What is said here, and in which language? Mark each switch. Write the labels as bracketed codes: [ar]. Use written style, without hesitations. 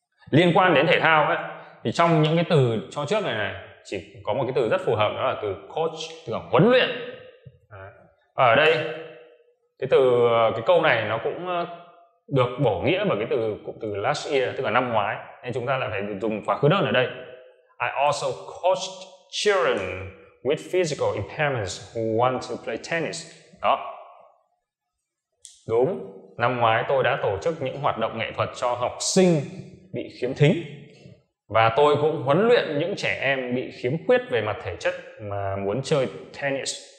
[vi] Liên quan đến thể thao ấy, thì trong những cái từ cho trước này này chỉ có một cái từ rất phù hợp, đó là từ coach, từ huấn luyện. Ở đây cái câu này nó cũng được bổ nghĩa bởi cái từ cụm từ last year, tức là năm ngoái, nên chúng ta lại phải dùng quá khứ đơn ở đây. [en] I also coached children with physical impairments who want to play tennis. [vi] Đó, đúng, năm ngoái tôi đã tổ chức những hoạt động nghệ thuật cho học sinh bị khiếm thính, và tôi cũng huấn luyện những trẻ em bị khiếm khuyết về mặt thể chất mà muốn chơi tennis.